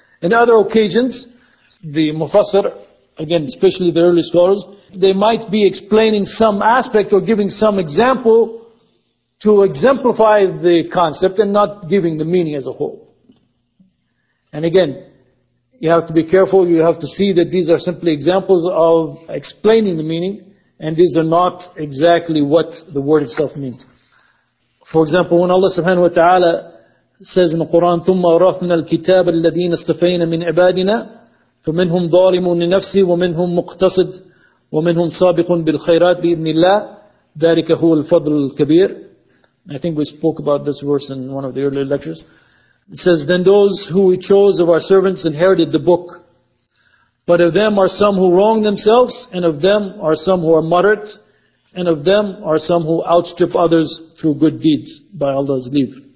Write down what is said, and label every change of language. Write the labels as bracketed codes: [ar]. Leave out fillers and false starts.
[en] In other occasions, the Mufassir, again, especially the early scholars, they might be explaining some aspect or giving some example to exemplify the concept and not giving the meaning as a whole. And again, you have to be careful. You have to see that these are simply examples of explaining the meaning, and these are not exactly what the word itself means. For example, when Allah subhanahu wa ta'ala says in the Quran, [ar] ثُمَّ أَرَثْنَا الْكِتَابَ الَّذِينَ اصْطَفَيْنَا مِنْ عِبَادِنَا فَمِنْهُمْ ظَالِمٌ لِنَفْسِهِ وَمِنْهُمْ مُقْتَصِدٌ وَمِنْهُمْ سَابِقٌ بِالْخَيْرَاتِ بِإِذْنِ اللَّهِ ذَلِكَ هُوَ الْفَضْلُ الْكَبِيرُ. [en] I think we spoke about this verse in one of the earlier lectures. It says, then those who we chose of our servants inherited the book. But of them are some who wrong themselves, and of them are some who are moderate, and of them are some who outstrip others through good deeds by Allah's leave.